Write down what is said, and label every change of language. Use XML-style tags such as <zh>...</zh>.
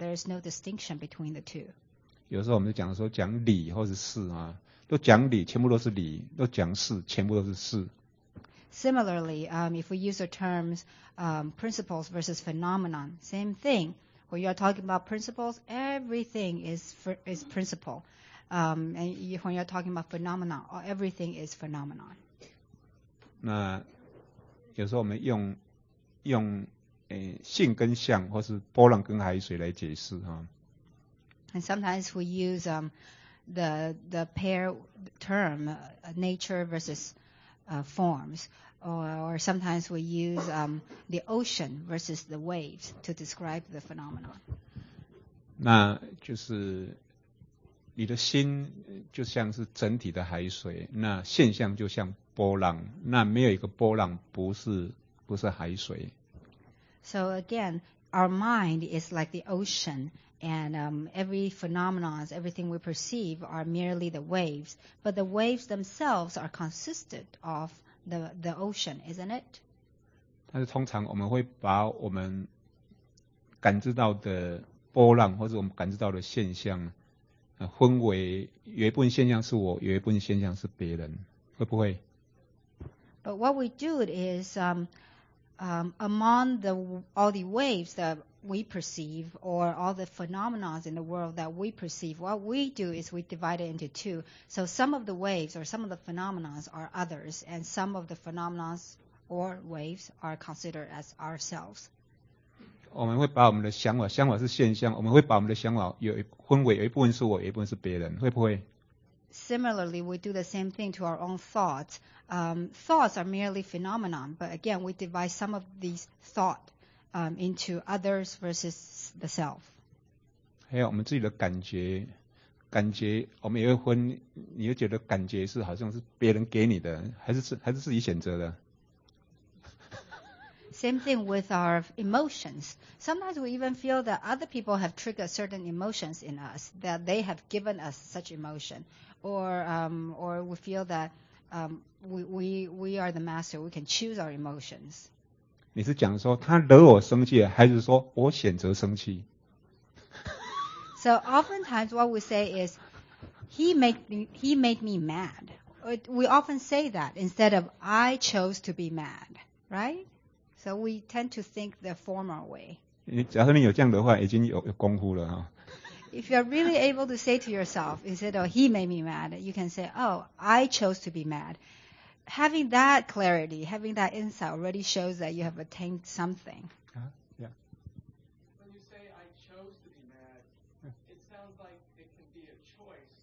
<en>There is no distinction between the two.</en> <zh>有时候我们就讲说讲理或是事啊，都讲理，全部都是理；都讲事，全部都是事。</zh> <en>Similarly, if we use the terms principles versus phenomenon, same thing. When you are talking about principles, everything is principle. And when you're talking about phenomena, everything is phenomenon.</en> <zh>那有时候我们用性跟相，或是波浪跟海水来解释哈。</zh> <en>And sometimes we use the pair term nature versus forms, or sometimes we use the ocean versus the waves to describe the phenomenon.</en> <zh>那就是。你的心就像是整体的海水，那现象就像波浪，那没有一个波浪不是海水。 So again, our mind is like the ocean, and every phenomenon, everything we perceive are merely the waves, but the waves themselves are consisted of the ocean, isn't it? 但是通常我们会把我们感知到的波浪，或者我们感知到的现象分为有一部分现象是我，有一部分现象是别人，会不会</zh> <en>？But what we do is among all the waves that we perceive, or all the phenomena in the world that we perceive, what we do is we divide it into two. So some of the waves or some of the phenomena are others, and some of the phenomena or waves are considered as ourselves.</en> <zh>我们会把我们的想法，想法是现象，我们会把我们的想法有分为有一部分是我，有一部分是别人，会不会</zh> <en>？Similarly, we do the same thing to our own thoughts. Thoughts are merely phenomena, but again, we divide some of these thoughts into others versus the self.</en> <zh>还有我们自己的感觉，感觉我们也会分，你会觉得感觉是好像是别人给你的，还是自己选择的？</zh> <en>Same thing with our emotions. Sometimes we even feel that other people have triggered certain emotions in us, that they have given us such emotion. Or we feel that we are the master, we can choose our emotions.</en> <zh>你是讲说他惹我生气，还是说我选择生气？</zh> <en>So oftentimes what we say is, he made me mad. We often say that instead of I chose to be mad, right? So we tend to think the former way.</en> <zh>假设你有这样的话，已经有功夫了哈。</zh> <en>If you are really able to say to yourself, instead of "he made me mad," you can say, "Oh, I chose to be mad." Having that clarity, having that insight, already shows that you have attained something. When you say "I chose to be mad," it sounds like it can be a choice.</en>